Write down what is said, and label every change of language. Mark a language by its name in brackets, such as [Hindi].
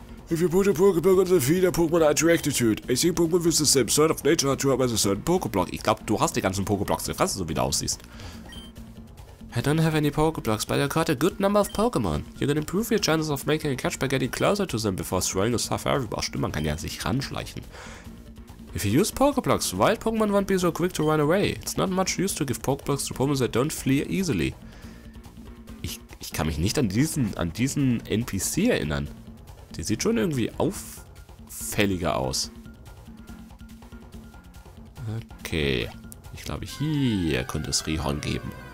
[English] If you put a Pokeblock on the feet, a Pokémon attracted to it. I think Pokémon with the same sort of nature are to have a certain Pokéblock. [German] Ich glaube, du hast die ganzen Pokéblocks gefressen, so wie du aussiehst. [English] I don't have any Pokeblocks, but I caught a good number of Pokemon. You can improve your chances of making a catch by getting closer to them before throwing a Safari Ball. [German] Stimmt, man kann ja sich ranschleichen. [English] If you use Pokeblocks, wild Pokemon won't be so quick to run away. It's not much use to give Pokeblocks to Pokemon that don't flee easily. [German] Ich kann mich nicht an diesen NPC erinnern. Die sieht schon irgendwie auffälliger aus. Okay. Ich glaube, hier könnte es Rihorn geben.